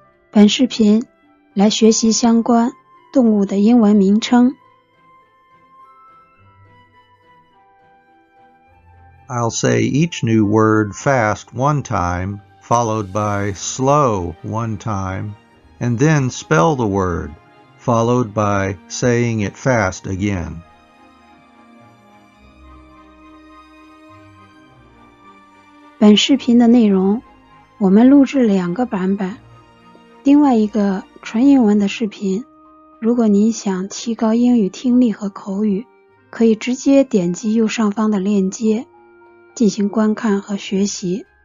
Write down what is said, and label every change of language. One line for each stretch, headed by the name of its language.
Chinese: 本视频来学习相关动物的英文名称。
English: I'll say each new word fast one time, followed by slow one time, and then spell the word, followed by saying it fast again.
Chinese: 本视频的内容，我们录制两个版本。另外一个纯英文的视频，如果您想提高英语听力和口语，可以直接点击右上方的链接进行观看和学习。